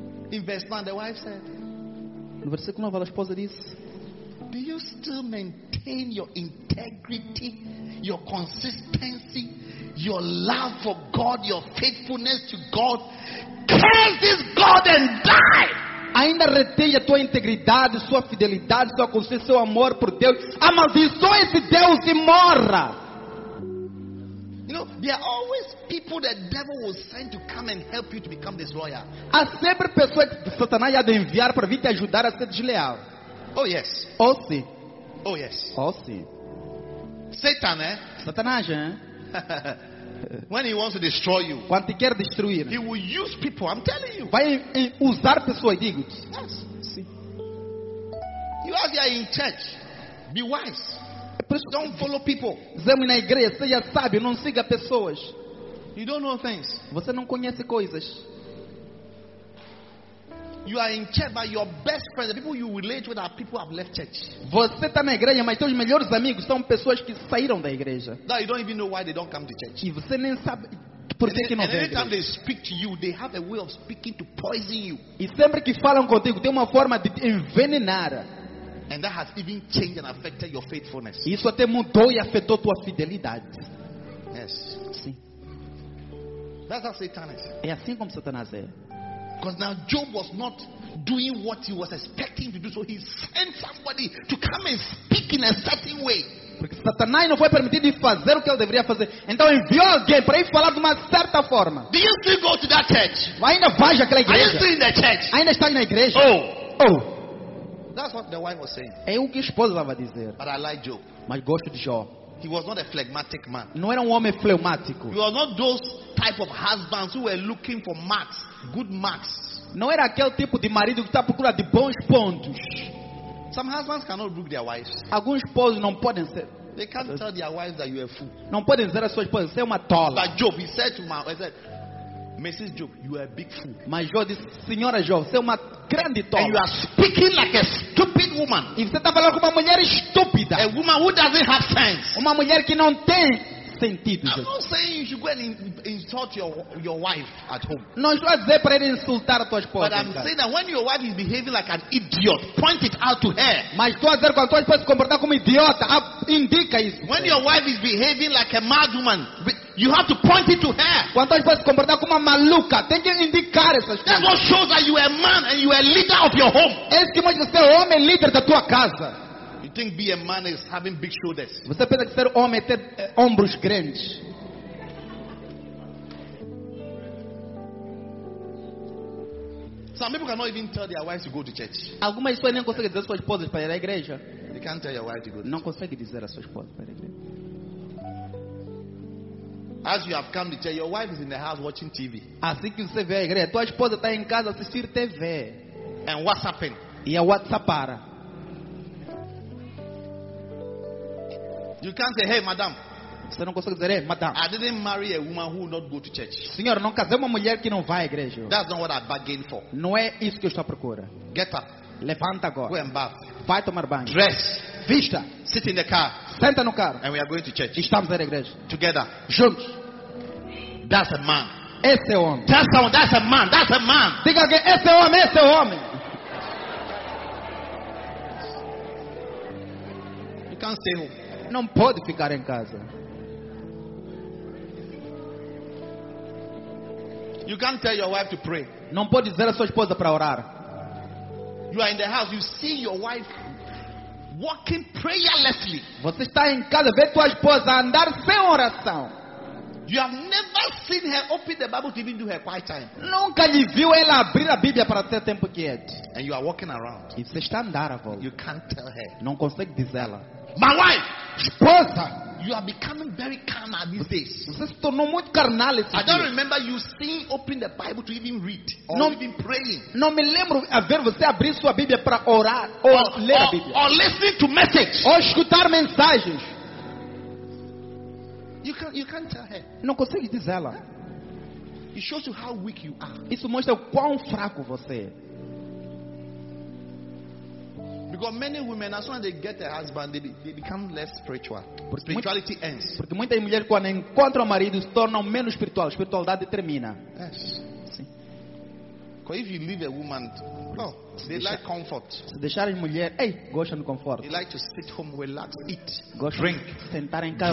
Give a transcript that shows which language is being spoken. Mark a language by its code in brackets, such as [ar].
[en] In verse 9, the wife said. [pt] No versículo 9, a esposa diz: [en] Do you still maintain your integrity, your consistency, your love for God, your faithfulness to God? Kill this God and die. [pt] Ainda retém a tua integridade, sua fidelidade, sua consciência, seu amor por Deus? Amaldiçoe esse Deus e morra. [en] You know, there are always people the devil will send to come and help you to become disloyal. [pt] Há sempre pessoas que Satanás há de enviar para vir te ajudar a ser desleal. [en] Oh yes. [pt] Oh sim. [en] Oh yes. [pt] Oh sim. [en] Satan, eh? [pt] Satanás, hein? [en] When he wants to destroy you, [pt] quando te quer destruir, [en] he will use people. I'm telling you. [pt] Vai usar pessoas, digo. [en] Yes. Sim. You are there in church. Be wise. Don't follow people. [pt] Zemo na igreja, você já sabe, não siga pessoas. [en] You don't know things. [pt] Você não conhece coisas. [en] You are in church, but your best friends, the people you relate with, are people who have left church. [pt] Você está na igreja, mas seus melhores amigos são pessoas que saíram da igreja. [en] That you don't even know why they don't come to church. [pt] E você nem sabe por que não vem. [en] Every time they speak to you, they have a way of speaking to poison you. [pt] E sempre que falam contigo, tem uma forma de te envenenar. [en] And that has even changed and affected your faithfulness. [pt] Isso até mudou e afetou tua fidelidade. [en] Yes. [pt] Sim. [en] That's how Satan is. [pt] É assim como Satanás é. [en] Because now Job was not doing what he was expecting to do, so he sent somebody to come and speak in a certain way. [pt] Porque Satanás não foi permitido fazer o que ele deveria fazer, então enviou alguém para ele falar de uma certa forma. [en] Do you still go to that church? [pt] Ainda vai àquela igreja? [en] Are you still in the church? [pt] Ainda está na igreja? Oh, oh. [en] That's what the wife was saying. [pt] É o que a esposa estava a dizer. [en] But I like Job. [pt] Mas gosto de Jó. [en] He was not a phlegmatic man. [pt] Não era homem fleumático. [en] He was not those type of husbands who were looking for marks, good marks. [pt] Não era aquele tipo de marido que está procurando de bons pontos. [en] Some husbands cannot brook their wives. [pt] Alguns esposos não podem ser. [en] They can't tell their wives that you are a fool. [pt] Não podem dizer a sua esposa você é uma tola. [en] But Job, he said to my, he said, Mrs. Job, you are a big fool. [pt] Mas Jó disse, senhora Jó, você é uma grande tola. [en] And you are speaking like a stupid woman. [pt] E você está falando com uma mulher estúpida. [en] A woman who doesn't have sense. [pt] Uma mulher que não tem sentido. [en] I'm not saying you should go and insult your wife at home. [pt] Não estou a dizer para ele insultar a tua esposa. [en] But I'm saying that when your wife is behaving like an idiot, point it out to her. [pt] Mas estou a dizer quando tua esposa se comportar como idiota, indica isso. [en] When your wife is behaving like a mad woman, you have to point it to her. [pt] Quando tua esposa se comportar como uma maluca, tem que indicar essa coisa. [en] That's what shows that you are a man and you are a leader of your home. [pt] Esse que mostra ser homem líder da tua casa. [en] You think be a man is having big shoulders? [pt] Você pensa que ser homem ter ombros grandes? [en] Some people cannot even tell their wives to go to church. [pt] Algumas pessoas nem conseguem dizer às suas esposas para ir à igreja. [en] They can't tell your wife to go. [pt] Não consegue dizer às suas esposas para ir à igreja. [en] As you have come to church, your wife is in the house watching TV. [pt] Assim que você vier à igreja, tua esposa está em casa assistindo TV. [en] And WhatsApping. [pt] E a WhatsApp para. [en] You can't say, hey, madam. [pt] Você não consegue dizer, [en] hey, madam. I didn't marry a woman who will not go to church. [pt] Senhor, não casei uma mulher que não vai à igreja. [en] That's not what I bargained for. [pt] Não é isso que eu estou à procura. [en] Get up. [pt] Levanta agora. [en] Go and bath. [pt] Vai tomar banho. [en] Dress. [pt] Vista. [en] Sit in the car. [pt] Senta no carro. [en] And we are going to church. [pt] Estamos na igreja. [en] Together. [pt] Juntos. [en] That's a man. [pt] Esse é homem. [en] That's someone. That's a man. That's a man. [pt] Diga que esse é homem. Esse é homem. [en] You can't stay home. [pt] Não pode ficar em casa. [en] You can't tell your wife to pray. [pt] Não pode dizer à sua esposa para orar. [en] You are in the house. You see your wife walking prayerlessly. [pt] Você está em casa, vê tua esposa andar sem oração. [en] You have never seen her open the Bible to even do her quiet time. [pt] Nunca lhe viu ela abrir a Bíblia para ter tempo quieto. [en] And you are walking around. [pt] E você está andar a volta. [en] You can't tell her. [pt] Não consegue dizer ela. [en] My wife, [pt] esposa, [en] You are becoming very carnal these days. [pt] Você se tornou muito carnal esses [en] dias. I don't remember you seeing open the Bible to even read or even praying. [pt] Não me lembro a ver você abrir sua Bíblia para orar ou ler a Bíblia. [en] Or listening to message. [pt] Ou escutar mensagens. [en] You can't tell her. [pt] Não consegue dizer ela. [en] It shows you how weak you are. [pt] Isso mostra o quão fraco você é. [en] Because many women, as soon as they get a husband, they become less spiritual. Spirituality ends. [pt] Porque muitas mulheres quando encontram marido se tornam menos espiritual. Espiritualidade termina. [en] Yes. [pt] Sim. [en] Because if you leave a woman, like comfort. [pt] Se deixar a mulher, gostam do conforto. [en] They like to sit home, relax, eat, [pt] gostam [en] drink, [pt] sentar em casa,